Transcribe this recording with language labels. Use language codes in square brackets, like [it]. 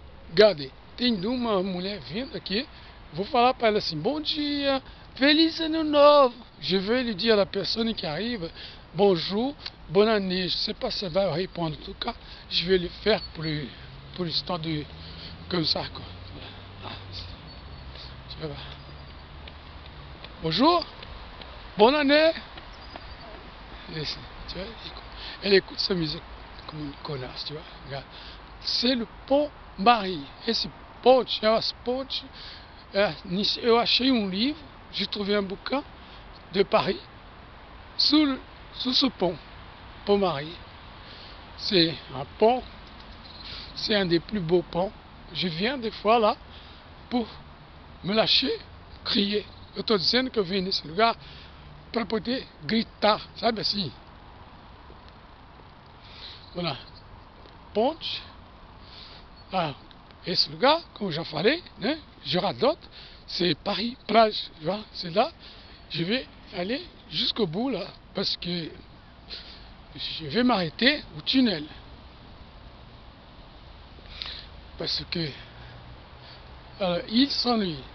[fr] Regardez, [pt] tem uma mulher vindo aqui. Vou falar para ela assim: bom dia, feliz ano novo. [fr] Je vais lui dire à la personne qui arrive: bonjour, bonne année. Je ne sais pas si elle va répondre. En tout cas, je vais le faire pour l'instant de. Comme ça, quoi. Bonjour, bonne année. Tu vois, elle écoute sa musique comme une connasse, tu vois. Regarde. C'est le pont Marie. Et ce pont, tu vois, ce pont, j'ai acheté un livre, j'ai trouvé un bouquin de Paris sous ce pont, pont Marie. C'est un pont, c'est un des plus beaux ponts. Je viens des fois là pour me lâcher, crier. [pt] Eu estou dizendo que eu vim nesse lugar para poder gritar, sabe assim? Voilà. Ponte. Ah, esse lugar, como já falei, né? [fr] Jurandotte, c'est Paris, plage, tu vois? C'est là. Je vais aller jusqu'au bout, là, parce que je vais m'arrêter au tunnel. Parce que. Alors, il s'ennuie.